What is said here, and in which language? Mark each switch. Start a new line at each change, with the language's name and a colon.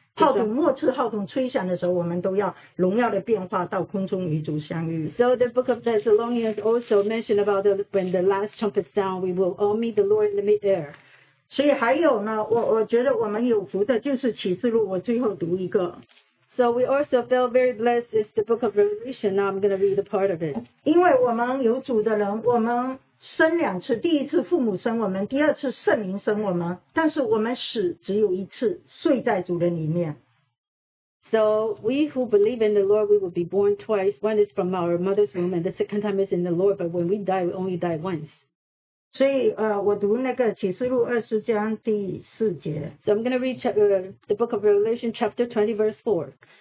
Chinese: 浩同末次浩同吹响的时候我们都要荣耀的变化到空中与主相遇。
English: So the book of Thessalonians also mentioned about the, when the last trumpet sound, we will all meet the Lord in the mid-air.
Chinese: 所以还有呢，我觉得我们有福的就是启示录，我最后读一个。
English: So we also felt very blessed is the book of Revelation. Now I'm going to read a part of it.
Chinese: 因为我们有主的人，我们 生两次, 第一次父母生我们, 第二次圣灵生我们, 但是我们死只有一次, 睡在主人里面。
English: So we who believe in the Lord, we will be born twice. One is from our mother's womb, and the second time is in the Lord. But when we die, we only die once.
Chinese: 所以, 我读那个启示录20章第4节。
English: So I'm going to read the book of Revelation chapter 20 verse 4.